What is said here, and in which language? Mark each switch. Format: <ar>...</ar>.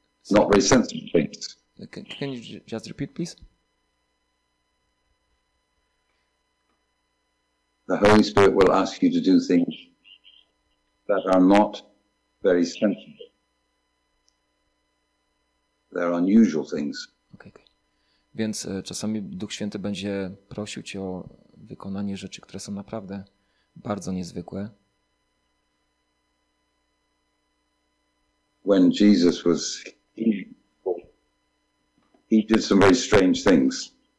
<en>Not very sensible things. Can you just repeat, please? The Holy Spirit will ask you to do things that are not very sensible. They're unusual things. Okay.</en> <pl>Więc czasami Duch Święty będzie prosił cię o wykonanie rzeczy, które są naprawdę bardzo niezwykłe.</pl> <en>When Jesus was he did some very strange things.</en>